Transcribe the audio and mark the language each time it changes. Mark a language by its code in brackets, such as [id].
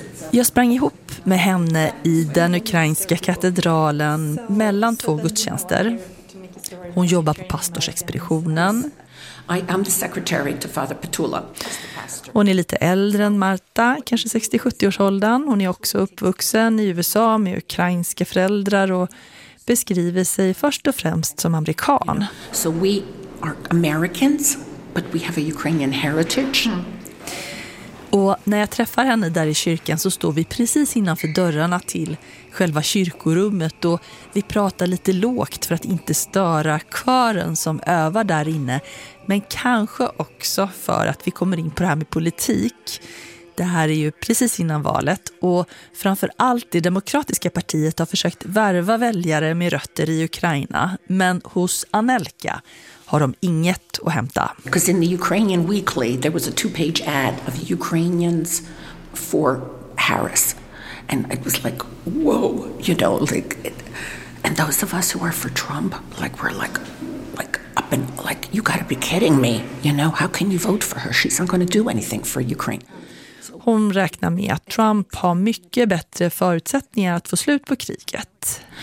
[sv] Jag sprang ihop med henne i den ukrainska katedralen mellan två gudstjänster. Hon jobbar på pastorsexpeditionen. [en] I am the secretary to Father Petula. [sv] Hon är lite äldre än Marta, kanske 60-70 års åldern. Hon är också uppvuxen i USA med ukrainska föräldrar och beskriver sig först och främst som amerikan. [en] So we are Americans, but we have a Ukrainian heritage. Mm. [sv] Och när jag träffar henne där i kyrkan så står vi precis innanför dörrarna till själva kyrkorummet och vi pratar lite lågt för att inte störa kören som övar där inne. Men kanske också för att vi kommer in på det här med politik. Det här är ju precis innan valet och framförallt det demokratiska partiet har försökt värva väljare med rötter i Ukraina. Men hos Anelka har de inget att hämta. [en] Because in the Ukrainian Weekly there was a two-page ad of Ukrainians for Harris. And it was like, whoa, you know, like, and those of us who are for Trump, like, we're like up and like, you gotta be kidding me, you know, how can you vote for her? She's not gonna do anything for Ukraine. [sv] Hon räknar med att Trump har mycket bättre förutsättningar att få slut på kriget.